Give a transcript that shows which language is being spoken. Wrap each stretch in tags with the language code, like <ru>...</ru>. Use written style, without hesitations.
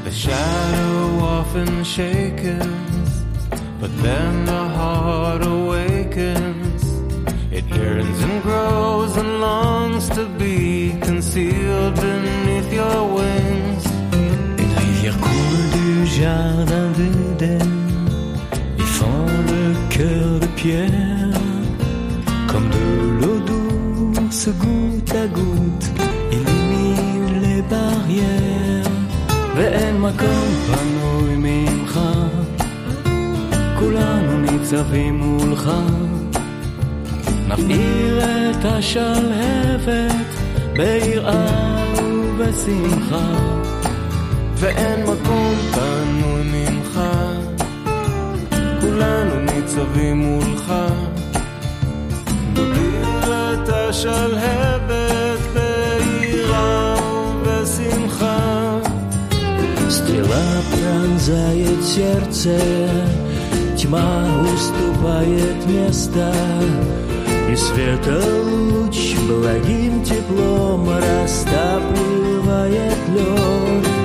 <en>Shadow often shakens, but then the heart awakens. It yearns and grows and longs to be concealed beneath your wings.</en> <fr>Une rivière coule du jardin d'Eden, y fend le cœur de pierre. Comme de l'eau douce, goutte à goutte, illumine les barrières.</fr> <he>ואין מקום פנוי ממך, כולנו ניצבים מולך. נפעיר את השלהבת ביראה ובשמחה. ואין מקום פנוי ממך, כולנו ניצבים מולך. נפעיר את השלהבת ביראה ובשמחה.</he> <ru>Стрела пронзает сердце, тьма уступает место, и света луч благим теплом растапливает лед.</ru>